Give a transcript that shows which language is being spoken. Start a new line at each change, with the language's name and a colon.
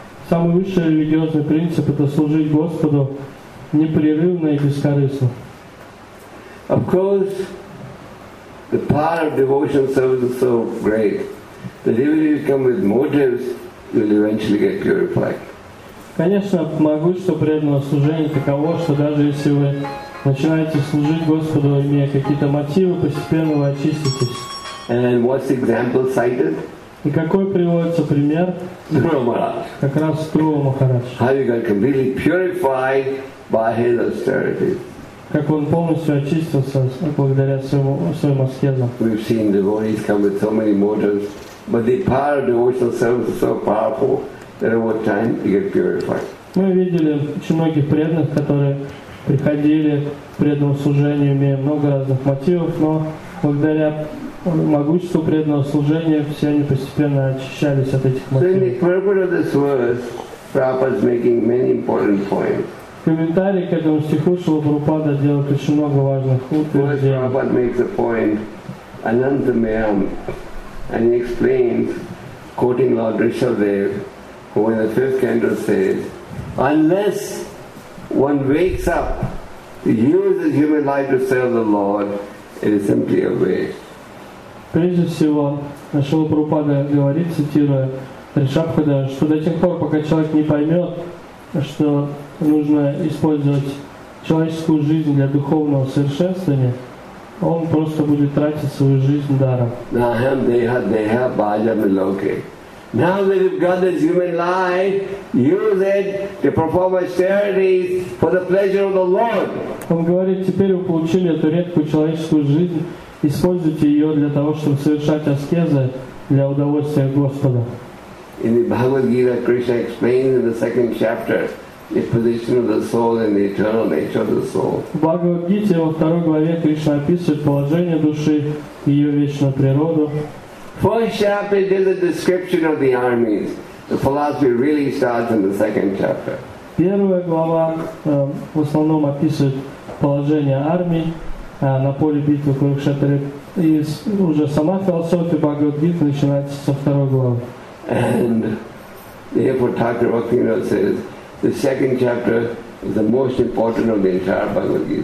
Russian: Самый высший религиозный принцип — это служить Господу непрерывно и бескорыстно.
English: Of course, the power of devotional service is so great that even if you come with motives, you'll eventually get purified.
Russian: Конечно, могущество преданного служения таково, что даже если вы начинаете служить Господу, имея какие-то мотивы, постепенно вы очиститесь.
English: And what's example cited?
Russian: И какой приводится пример?
English: Струва Махарадж.
Russian: Как раз Струва Махарадж.
English: How you got completely purified by his austerity.
Russian: Как он полностью очистился благодаря своим аскезам.
English: We've seen devotees come with so many motives, but the power of devotional service is so powerful. Then over time you get purified.
Russian: Мы видели очень многих преданных, которые приходили к преданному служению, имея много разных мотивов, но благодаря могуществу преданного служения все они постепенно очищались от этих мотивов.
English: So in the purport of this verse, Prabhupada is making many important points.
Russian: В комментарии к этому стиху Шрила Прабхупада делает очень много важных утверждений.
English: First, Prabhupada makes a point, Anantamayam, and he explains, quoting Lord Rishabhadev, who in the fifth canto says, unless one wakes up to use his human life to serve the Lord, it is simply a waste.
Russian: Прежде всего, Шрила Прабхупада говорит, цитируя Ришабхада, что до тех пор, пока человек не поймет, что нужно использовать человеческую жизнь для духовного совершенствования, он просто будет тратить свою жизнь даром.
Sanskrit: Нахам деха деха бхаджам локе.
English: Now that you've got this human life, use it to perform austerities for the pleasure of the Lord.
Russian: Он говорит, теперь вы получили эту редкую человеческую жизнь, используйте ее для того, чтобы совершать аскезы для удовольствия Господа.
English: In the Bhagavad Gita, Krishna explains in the second chapter the position of the soul and the eternal nature of the soul.
Russian: В Бхагавад Гите во второй главе Кришна описывает положение души и ее вечную природу.
English: First chapter gives a description of the armies. The philosophy really starts in the second chapter.
Russian: Первая глава в основном описывает положение армий на поле битвы Курукшетры. И уже сама философия Бхагавад-гиты начинается со второй главы.
English: And therefore Thakura Bhaktivinoda says the second chapter is the most important of the entire Bhagavad-gita.